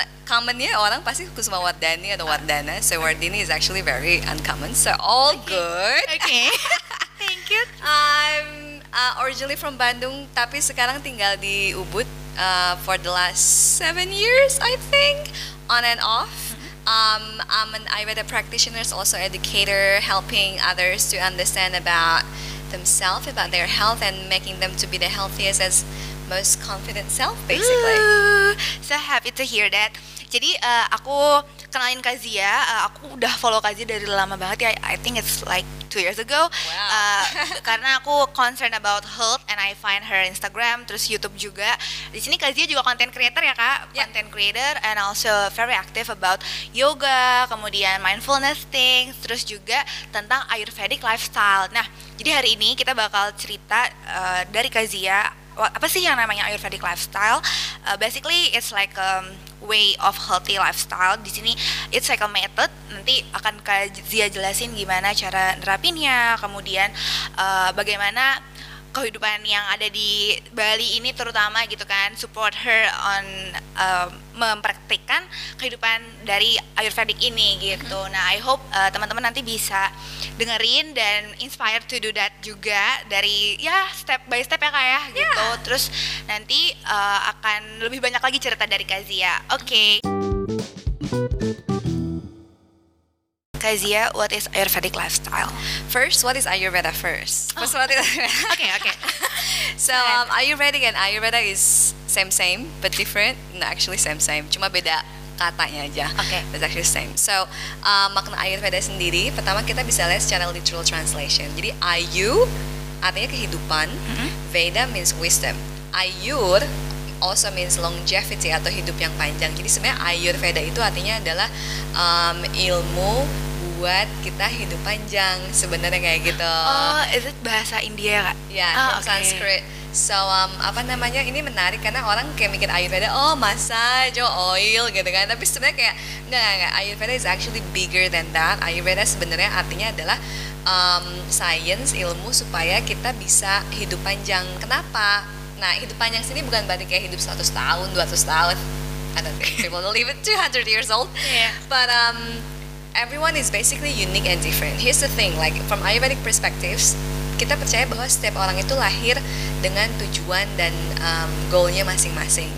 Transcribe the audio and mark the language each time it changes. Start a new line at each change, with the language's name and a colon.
Indonesian: Commonnya orang pasti Kusuma Wardani atau Wardana.
English: So, Wardani is actually very uncommon. So, all good. Okay. Thank you. I'm originally from Bandung,
Indonesian: tapi sekarang tinggal di Ubud
English: for the last 7 years, I think, on and off. I'm an Ayurveda practitioner, also educator, helping others to understand about themselves, about their health, and making them to be the healthiest as most confident self, basically. Ooh, so happy to hear that.
Indonesian: Jadi aku kenalin Kak Zia, aku udah follow Kak Zia dari lama banget ya,
English: I think it's like 2 years ago. Wow.
Indonesian: karena aku
English: concerned about health and I find her Instagram,
Indonesian: terus YouTube juga. Di sini Kak Zia juga content creator ya Kak, yeah.
English: Content creator and also very active about yoga, kemudian mindfulness things,
Indonesian: terus juga tentang
English: Ayurvedic lifestyle.
Indonesian: Nah, jadi hari ini kita bakal cerita dari Kak Zia, apa sih yang namanya Ayurvedic lifestyle?
English: Basically it's like way of healthy lifestyle.
Indonesian: Di sini
English: it's like a method.
Indonesian: Nanti akan Kak Zia jelasin gimana cara nerapinnya, kemudian bagaimana kehidupan yang ada di Bali ini terutama gitu kan,
English: support her on
Indonesian: mempraktikkan kehidupan dari Ayurvedic ini gitu. Nah,
English: I hope
Indonesian: teman-teman nanti bisa dengerin dan
English: inspired to do that
Indonesian: juga dari ya step by step ya Kak ya gitu. Yeah. Terus nanti akan lebih banyak lagi cerita dari Kak Zia. Oke.
English: Kak Zia, what is Ayurvedic lifestyle? First, what is Ayurveda first? Oh. What is Ayurveda? Okay. So, Ayurvedic and Ayurveda is same, but different. No, actually same.
Indonesian: Cuma beda katanya aja. Okay.
English: It's actually same.
Indonesian: So, makna Ayurveda sendiri, pertama kita bisa lihat secara literal translation. Jadi, Ayu artinya kehidupan. Mm-hmm.
English: Veda means wisdom. Ayur also means longevity
Indonesian: atau hidup yang panjang. Jadi sebenarnya Ayurveda itu artinya adalah ilmu buat kita hidup panjang sebenarnya kayak gitu. Oh,
English: is it
Indonesian: bahasa India ya, Kak? Ya, yeah, oh, okay. Sanskrit. So apa namanya, ini menarik karena orang kayak mikir Ayurveda oh massage oil gitu kan, tapi sebenarnya kayak enggak.
English: Ayurveda is actually bigger than that.
Indonesian: Ayurveda sebenarnya artinya adalah science, ilmu supaya kita bisa hidup panjang. Kenapa? Nah, hidup panjang sini bukan berarti kayak hidup 100 tahun, 200 tahun.
English: I don't think people live at 200 years old. Yeah. But everyone is basically unique and different. Here's the thing, like from Ayurvedic perspectives,
Indonesian: kita percaya bahwa setiap orang itu lahir dengan tujuan dan goalnya masing-masing.